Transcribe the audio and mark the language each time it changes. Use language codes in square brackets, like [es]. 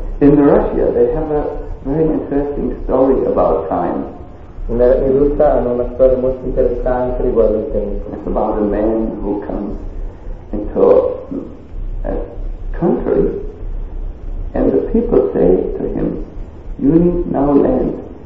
[en] In Russia, they have a very interesting story about time. [it] In Russia hanno una storia molto interessante riguardo al tempo. [en] It's about a man who comes into a country, and the people say to him, "You need now land.